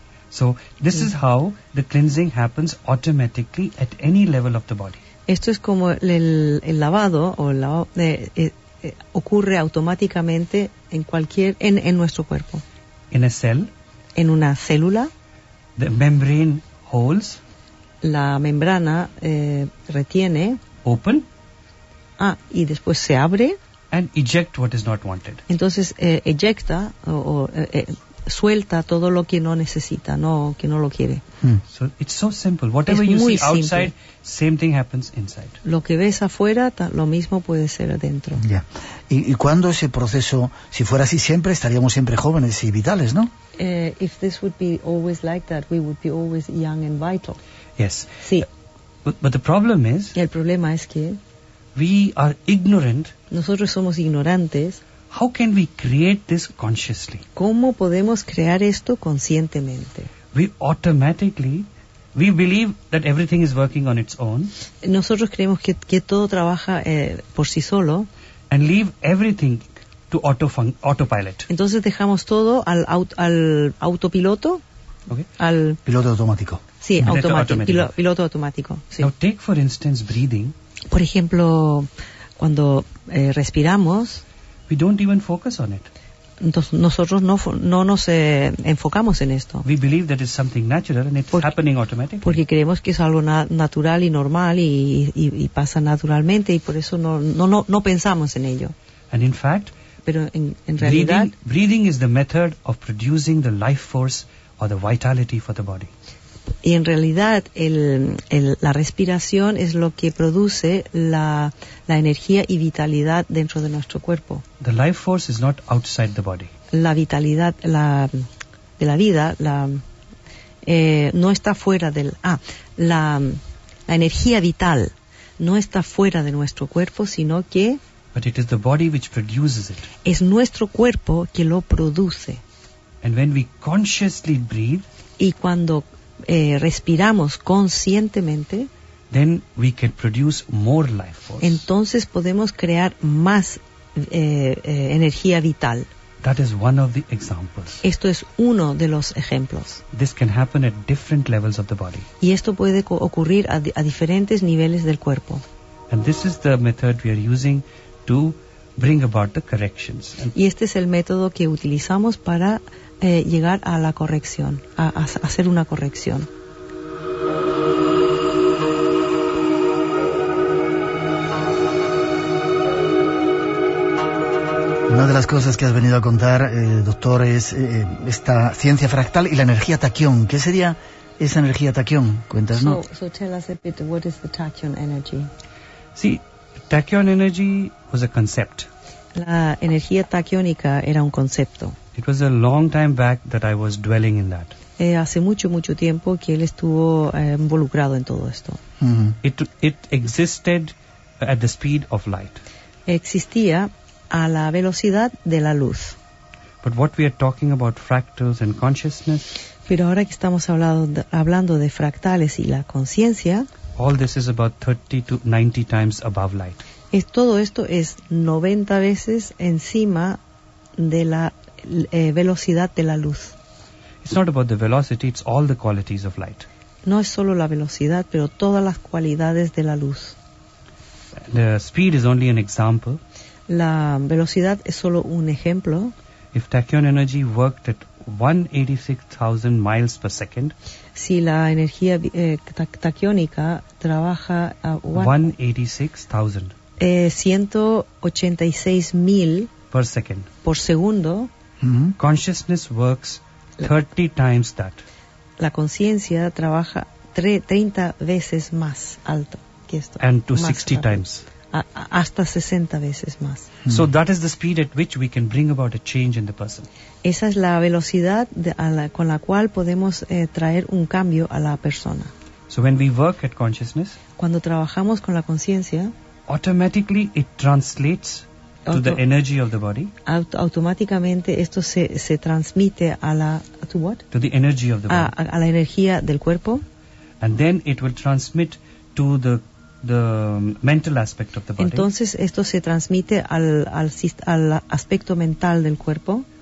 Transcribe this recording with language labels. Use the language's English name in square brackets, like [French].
[English] So this is how the cleansing happens automatically at any level of the body. [Spanish] Esto es como el lavado o el lavado, ocurre automáticamente en nuestro cuerpo. [English] In a cell. [Spanish] En una célula. [English] The membrane holds. [Spanish] La membrana retiene. [English] Open. [Spanish] Y después se abre. [English] And eject what is not wanted. [Spanish] Entonces eyecta suelta todo lo que no necesita, no que no lo quiere. [English] So it's so simple. Whatever [Spanish] es [English] you see [Spanish] simple. [English] Outside, same thing happens inside. [Spanish] Lo que ves afuera, lo mismo puede ser adentro. Ya. Yeah. ¿Y cuándo ese proceso, si fuera así siempre, estaríamos siempre jóvenes y vitales, no? [English] If this would be always like that, we would be always young and vital. Yes. [Spanish] Sí. [English] But the problem is. [Spanish] El problema es que. [English] We are ignorant. [Spanish] Nosotros somos ignorantes. [English] How can we create this consciously? [Spanish] ¿Cómo podemos crear esto conscientemente? [English] We believe that everything is working on its own. [Spanish] Nosotros creemos que todo trabaja por sí solo. [English] And leave everything to autopilot. [Spanish] Entonces dejamos todo al autopiloto. [English] Okay. [Spanish] Al piloto automático. Sí, piloto automático. Sí. [English] Now take for instance breathing. [Spanish] Por ejemplo, cuando respiramos, [English] we don't even focus on it. [Spanish] Nosotros no nos enfocamos en esto. [English] We believe that it's something natural and it's happening automatically. [Spanish] Porque creemos que es algo natural y normal y pasa naturalmente y por eso no pensamos en ello. [English] And in fact, [Spanish] pero en realidad, [English] breathing is the method of producing the life force or the vitality for the body. [Spanish] Y en realidad la respiración es lo que produce la energía y vitalidad dentro de nuestro cuerpo. [English] The life force is not outside the body. [Spanish] La vitalidad de la vida no está fuera del la energía vital no está fuera de nuestro cuerpo, sino que [English] but it is the body which produces it. [Spanish] Es nuestro cuerpo que lo produce. [English] And when we consciously breathe, [Spanish] y cuando respiramos conscientemente, [English] then we can produce more life force. [Spanish] Entonces podemos crear más energía vital. [English] That is one of the examples. [Spanish] Esto es uno de los ejemplos. [English] This can happen at different levels of the body. [Spanish] Y esto puede ocurrir a diferentes niveles del cuerpo. [English] And this is the method we are using to bring about the corrections. [Spanish] Y este es el método que utilizamos para llegar a la corrección, a hacer una corrección. Una de las cosas que has venido a contar, doctor, es esta ciencia fractal y la energía taquión. ¿Qué sería esa energía taquión? Cuéntanos. [English] So tell us a bit, what is the taquión energy? Sí, taquión energy was a concept. [Spanish] La energía taquiónica era un concepto. [English] It was a long time back that I was dwelling in that. [Spanish] Hace mucho tiempo que él estuvo involucrado en todo esto. Mm-hmm. [English] It existed at the speed of light. [Spanish] Existía a la velocidad de la luz. [English] But what we are talking about fractals and consciousness. [Spanish] Pero ahora que estamos hablando de fractales y la conciencia. [English] All this is about 30 to 90 times above light. [Spanish] Es, todo esto es 90 veces encima de la velocidad de la luz. [English] It's not about the velocity, it's all the qualities of light. [Spanish] No es solo la velocidad, pero todas las cualidades de la luz. [English] The speed is only an example. [Spanish] La velocidad es solo un ejemplo. [English] If tachyon energy worked at 186,000 miles per second. [Spanish] Si la energía tachyónica trabaja a 186,000. 186,000 [English] per second. [Spanish] Por segundo. [English] Mm-hmm. Consciousness works 30 times that. [Spanish] La conciencia trabaja 30 veces más alto que esto. [English] And to 60 [Spanish] rápido. [English] Times. [Spanish] Hasta 60 veces más. Mm-hmm. [English] So that is the speed at which we can bring about a change in the person. [Spanish] Esa es la velocidad con la cual podemos traer un cambio a la persona. [English] So when we work at consciousness, [Spanish] cuando trabajamos con la conciencia, [English] automatically it translates to the energy of the body. [Spanish] Automáticamente esto se transmite a la [English] to what? To the energy of the body. [Spanish] A la energía del cuerpo. [English] And then it will transmit to the mental aspect of the body. [Spanish] Entonces esto se transmite al aspecto mental del cuerpo.